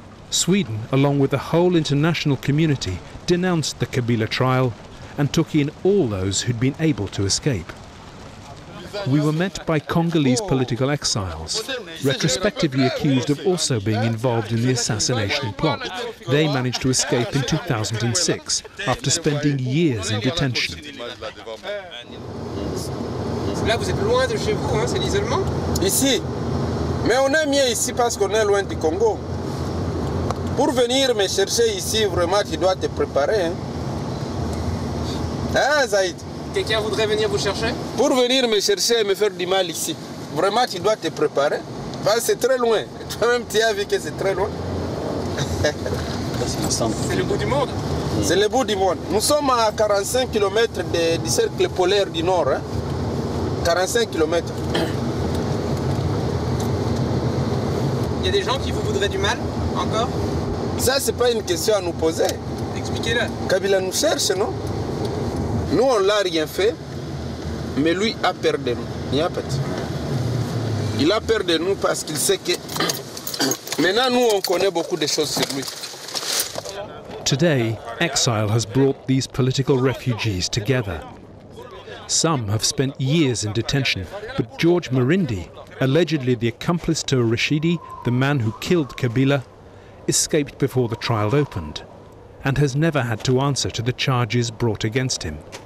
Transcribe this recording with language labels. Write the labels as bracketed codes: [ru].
[en] Sweden, along with the whole international community, denounced the Kabila trial and took in all those who'd been able to escape. We were met by Congolese political exiles, retrospectively accused of also being involved in the assassination plot. They managed to escape in 2006, after spending years in detention. [fr] Là, vous êtes loin de chez vous, hein, c'est l'isolement. Ici. Mais on est mieux ici parce qu'on est loin du Congo. Pour venir me chercher ici, vraiment, tu dois te préparer. Hein, Zaïd? Quelqu'un voudrait venir vous chercher? Pour venir me chercher et me faire du mal ici. Vraiment, tu dois te préparer. Enfin, c'est très loin. Toi-même, tu as vu que c'est très loin. C'est le bout du monde. C'est le bout du monde. Nous sommes à 45 km du cercle polaire du Nord. Hein. 45 km. Il y a des gens qui vous voudraient du mal, encore? Ça, c'est pas une question à nous poser. Expliquez-le. Kabila nous cherche, non? Nous, on l'a rien fait, mais lui a peur de nous. Il a peur de nous parce qu'il sait que... Maintenant, nous, on connaît beaucoup de choses sur lui. [en] Today, exile has brought these political refugees together. Some have spent years in detention, but George Marindi, allegedly the accomplice to Rashidi, the man who killed Kabila, escaped before the trial opened and has never had to answer to the charges brought against him.